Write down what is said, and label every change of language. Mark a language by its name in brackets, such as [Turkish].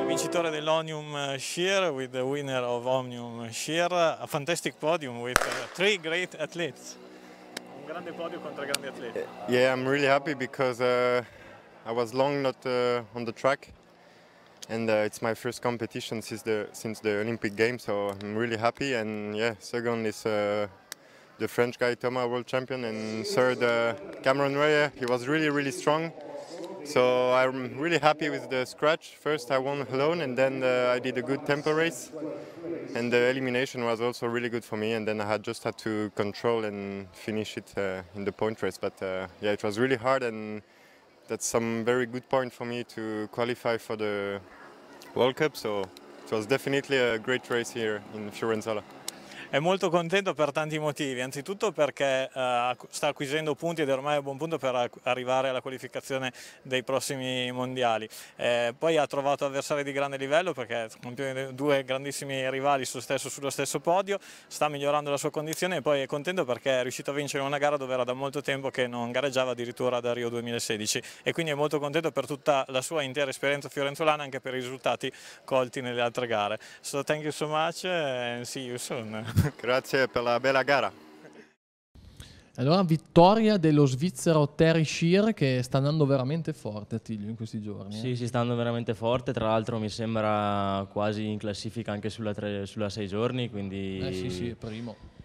[English] Scheer with the winner of Omnium. Scheer, a fantastic podium with three great athletes. [Italian] Un grande podio contro grandi atleti. [English] Yeah, I'm really happy because I was long not on the track, and it's my first competition since the Olympic Games, so I'm really happy. And yeah, second is the French guy Thomas, world champion, and third Cameron Reyer. He was really, really strong. So I'm really happy with the scratch. First I won alone, and then I did a good tempo race, and the elimination was also really good for me, and then I just had to control and finish it in the point race. But yeah, it was really hard, and that's some very good point for me to qualify for the World Cup, so it was definitely a great race here in Fiorenzuola. [Italian] È molto contento per tanti motivi, anzitutto perché sta acquisendo punti ed è ormai a buon punto per arrivare alla qualificazione dei prossimi mondiali. Poi ha trovato avversari di grande livello, perché con due grandissimi rivali sullo stesso podio, sta migliorando la sua condizione, e poi è contento perché è riuscito a vincere una gara dove era da molto tempo che non gareggiava, addirittura da Rio 2016, e quindi è molto contento per tutta la sua intera esperienza fiorenzuolana, anche per i risultati colti nelle altre gare. [English] So thank you so much and see you soon. [Italian] Grazie per la bella gara. Allora, vittoria dello svizzero Terry Scheer, che sta andando veramente forte, Attilio, in questi giorni. Sì, si sta andando veramente forte, tra l'altro mi sembra quasi in classifica anche sulla Sei Giorni, quindi... Sì, è primo.